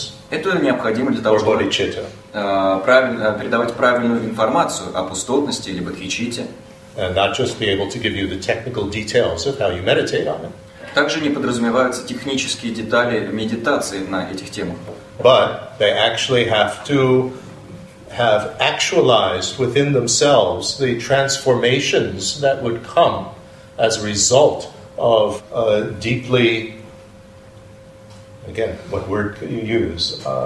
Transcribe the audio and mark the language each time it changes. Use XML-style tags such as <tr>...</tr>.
<ru>Это необходимо для того, чтобы передавать правильную информацию о пустотности или бодхичитте.</ru> <en>And not just be able to give you the technical details of how you meditate on it.</en> <ru>Также не подразумеваются технические детали медитации на этих темах.</ru> <en>But they actually have to have actualized within themselves the transformations that would come as a result of a deeply, again, what word could you use?</en>